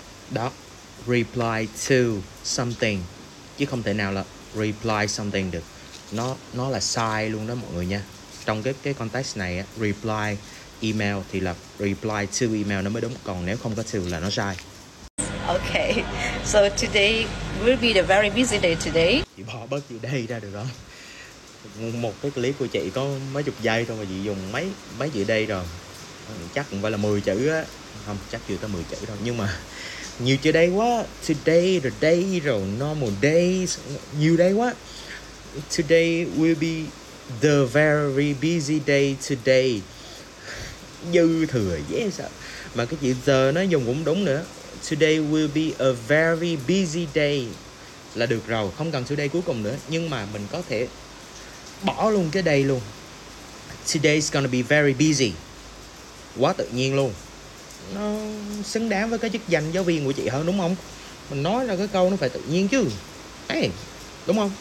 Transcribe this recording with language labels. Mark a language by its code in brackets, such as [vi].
[vi] Đó, [en] reply to something [vi] chứ không thể nào là [en] reply something [vi] được. Nó là sai luôn đó mọi người nha. Trong cái context này á, reply email thì là [en] reply to email [vi] nó mới đúng, còn nếu không có to là nó sai. [en] Okay. So today will be the very busy day today. [vi] Chị bỏ bớt chữ day ra được không? Một cái clip của chị có mấy chục giây thôi mà chị dùng mấy chữ đây rồi. Chắc cũng phải là 10 chữ á. Không, chắc chưa tới 10 chữ đâu. Nhưng mà nhiều chữ đây quá. Today, the day, rồi [en] normal days. [vi] Nhiều đây quá. [en] Today will be the very busy day today. [vi] Dư thừa, dễ sợ. Mà cái chữ giờ nó dùng cũng đúng nữa. [en] Today will be a very busy day. [vi] Là được rồi, không cần today cuối cùng nữa. Nhưng mà mình có thể bỏ luôn cái day luôn. [en] Today's gonna be very busy. [vi] Quá tự nhiên luôn. Nó xứng đáng với cái chức danh giáo viên của chị hơn đúng không? Mình nói ra cái câu nó phải tự nhiên chứ. Ê, đúng không?